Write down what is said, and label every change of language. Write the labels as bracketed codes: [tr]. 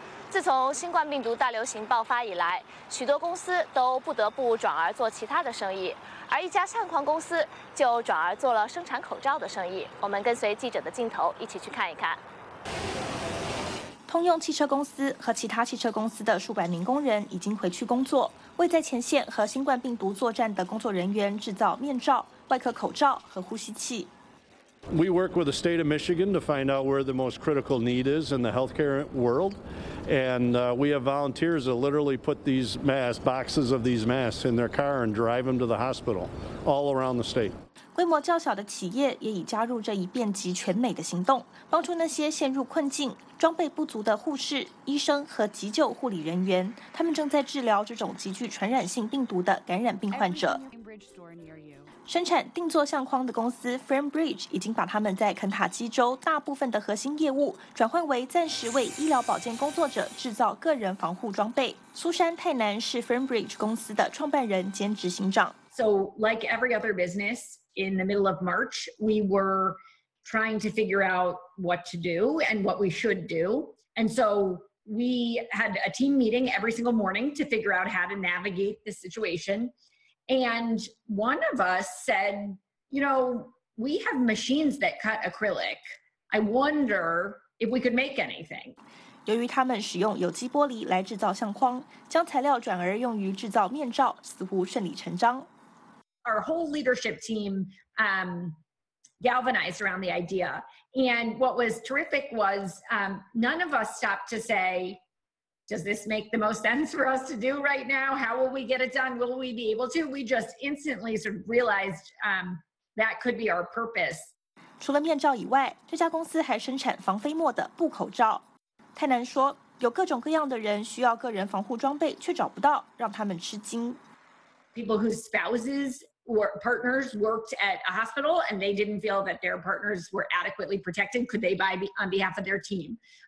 [zh] 自从新冠病毒大流行爆发以来，许多公司都不得不转而做其他的生意，而一家相框公司就转而做了生产口罩的生意。我们跟随记者的镜头一起去看一看。通用汽车公司和其他汽车公司的数百名工人已经回去工作，为在前线和新冠病毒作战的工作人员制造面罩、外科口罩和呼吸器。 [en] We work with the state of Michigan to find out where the most critical need is in the healthcare world, and we have volunteers that literally put these masks, boxes of these masks, in their car and drive them to the hospital all around the state. [zh] 规模较小的企业也已加入这一遍及全美的行动，帮助那些陷入困境、装备不足的护士、医生和急救护理人员。他们正在治疗这种极具传染性病毒的感染病患者。生产定做相框的公司 FrameBridge 已经把他们在肯塔基州大部分的核心业务转换为暂时为医疗保健工作者制造个人防护装备。苏珊·泰南是 FrameBridge 公司的创办人兼执行长。 [en] So like every other business. In the middle of March, we were trying to figure out what to do and what we should do. And so we had a team meeting every single morning to figure out how to navigate the situation. And one of us said, you know, we have machines that cut acrylic. I wonder if we could make anything. [zh] 由于他们使用有机玻璃来制造相框，将材料转而用于制造面罩，似乎顺理成章。 [en] Our whole leadership team galvanized around the idea. And what was terrific was none of us stopped to say, does this make the most sense for us to do right now? How will we get it done? Will we be able to? We just instantly sort of realized that could be our purpose. [zh] 除了面罩以外，这家公司还生产防飞沫的布口罩。泰南说，有各种各样的人需要个人防护装备却找不到，让他们吃惊。 [en] People whose spouses or partners worked at a hospital and they didn't feel that their partners were adequately protected, could they buy on behalf of their team?